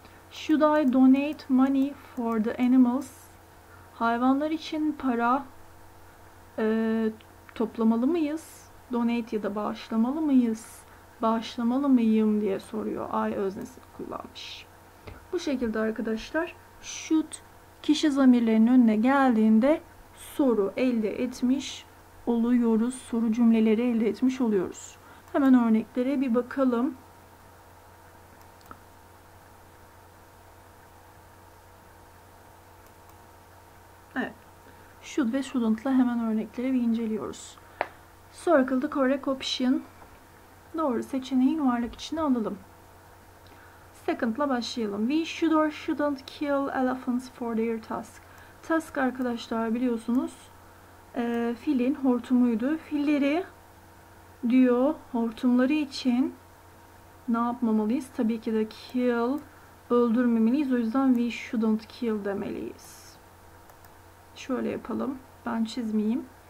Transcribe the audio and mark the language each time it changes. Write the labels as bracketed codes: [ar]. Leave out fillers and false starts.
[en] Should I donate money for the animals? [tr] Hayvanlar için para toplamalı mıyız? Donate ya da bağışlamalı mıyız? Bağışlamalı mıyım diye soruyor. I öznesini kullanmış. Bu şekilde arkadaşlar should kişi zamirlerinin önüne geldiğinde soru elde etmiş oluyoruz. Soru cümleleri elde etmiş oluyoruz. Hemen örneklere bir bakalım. Evet. Should ve shouldn't'la hemen örnekleri bir inceliyoruz. [en] Circle the correct option. [tr] Doğru seçeneği yuvarlak içine alalım. Second'la başlayalım. [en] We should or shouldn't kill elephants for their tusk. [tr] Tusk arkadaşlar biliyorsunuz filin hortumuydu. Filleri diyor hortumları için ne yapmamalıyız? Tabii ki de kill, öldürmemeliyiz. O yüzden [en] we shouldn't kill [tr] demeliyiz. Şöyle yapalım. Ben çizmeyeyim.